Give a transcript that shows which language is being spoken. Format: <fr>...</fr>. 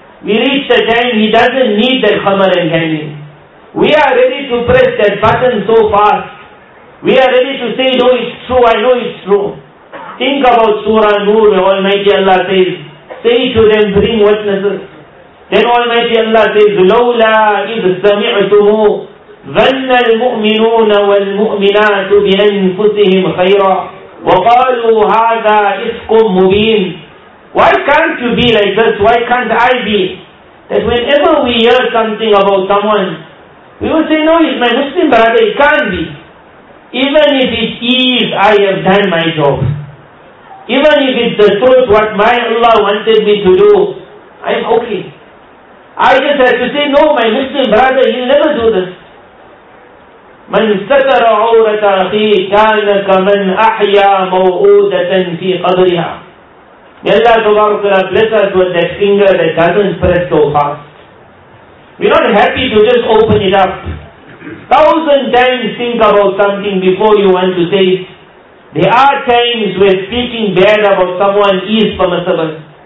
<en>We reach the time he doesn't need that khamar and gambling. We are ready to press that button so fast. We are ready to say, no, it's true, I know it's true. Think about Surah Nur, where Almighty Allah says, say to them, bring witnesses. Then Almighty Allah says,</en> <ar>لَوْلَا إِذْ سَمِعْتُمُ ظَنَّ الْمُؤْمِنُونَ وَالْمُؤْمِنَاتُ بِأَنفُسِهِمْ خَيْرًا وَقَالُوا هَذَا إِفْكٌ مُبِينٌ.</ar> <en>Why can't you be like this? Why can't I be? That whenever we hear something about someone, we will say, no, it's my Muslim brother, it can't be. Even if it is, I have done my job. Even if it's the truth, what my Allah wanted me to do, I'm okay. I just have to say, no, my Muslim brother, he'll never do this.</en> <ar>من ستر عورة أخيه كان كمن أحيا موءودة في قبرها.</ar> <en>May Allah Ta'ala bless us with that finger that doesn't spread so fast. We're not happy to just open it up. Thousand times think about something before you want to say it. There are times where speaking bad about someone is permissible.</en>